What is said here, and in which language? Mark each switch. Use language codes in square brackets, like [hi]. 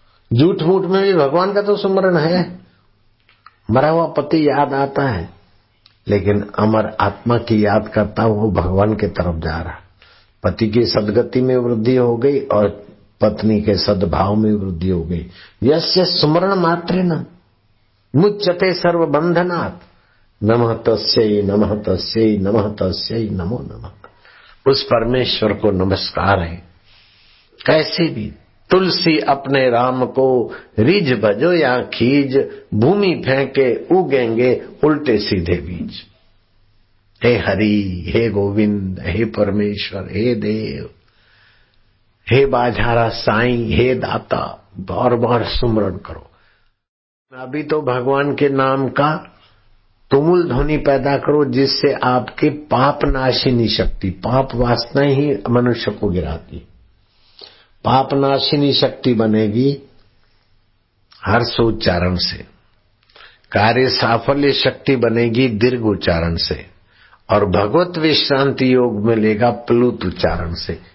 [hi] झूठ मूठ में भी भगवान का तो सुमरण है, मरा हुआ पति याद आता है, लेकिन अमर आत्मा की याद करता हूं वो भगवान के तरफ जा रहा। पति की सदगति में वृद्धि हो गई और पत्नी के सद्भाव में वृद्धि हो गई। [sa] यस्य स्मरण मात्रे न मुच्यते सर्व बंधनात्, नमः तस्यै नमः तस्यै नमः तस्यै नमो नमः। [hi] उस परमेश्वर को नमस्कार है। कैसे भी तुलसी अपने राम को रिज भजो या खीज, भूमि फेंके उगेंगे उल्टे सीधे बीज। हे हरि, हे गोविंद, हे परमेश्वर, हे देव, हे बाझारा साईं, हे दाता, बार बार सुमरण करो। अभी तो भगवान के नाम का तुमुल ध्वनि पैदा करो जिससे आपके पाप नाशिनी शक्ति, पाप वासना ही मनुष्य को गिराती, पाप नाशिनी शक्ति बनेगी हर सोच्चारण से, कार्य साफल्य शक्ति बनेगी दीर्घ उच्चारण से, और भगवत विश्रांति योग मिलेगा प्लुत उच्चारण से।